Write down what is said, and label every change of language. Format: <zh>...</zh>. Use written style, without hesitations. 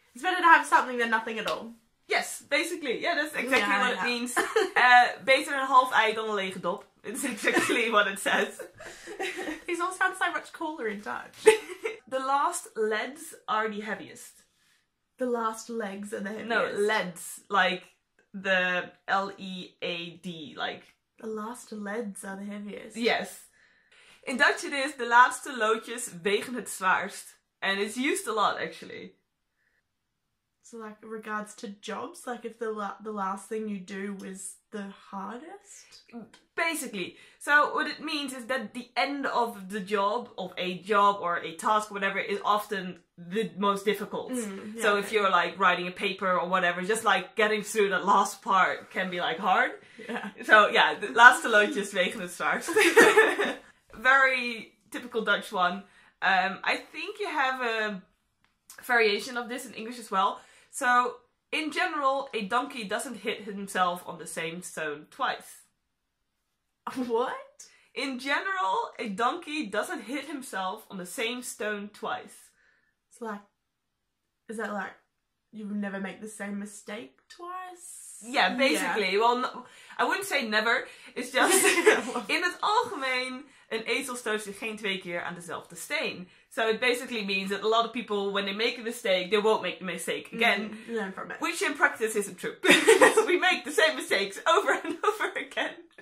<en>It's better to have something than nothing at all. Yes, basically. Yeah, that's exactly what it means.</en> <nl>Beter een half ei dan een lege dop.</nl> <en>It's exactly what it says. These all sound so much cooler in Dutch. The last leads are the heaviest. The last legs are the heaviest. No, leads. Like, the LEAD. Like, the laatste leads are the heaviest. Yes. In Dutch it is,</en> <nl>de laatste loodjes wegen het zwaarst.</nl> <en>And it's used a lot, actually. So, like, regards to jobs, like, if the last thing you do was the hardest? Basically. So, what it means is that the end of the job, of a job or a task, or whatever, is often the most difficult. Mm, yeah, so, okay. If you're, like, writing a paper or whatever, just, like, getting through that last part can be, like, hard. Yeah. So, yeah, the last to load just making it start. Very typical Dutch one. I think you have a variation of this in English as well. So, in general, a donkey doesn't hit himself on the same stone twice. What? In general, a donkey doesn't hit himself on the same stone twice. It's like, is that like, you never make the same mistake twice? Yeah, basically. Yeah. Well, no, I wouldn't say never. It's just,</en> <nl>in het algemeen, een ezel stoot zich geen twee keer aan dezelfde steen.</nl> <en>So it basically means that a lot of people, when they make a mistake, they won't make the mistake again. Mm-hmm. Learn from it. Which in practice isn't true. We make the same mistakes over and over again.</en>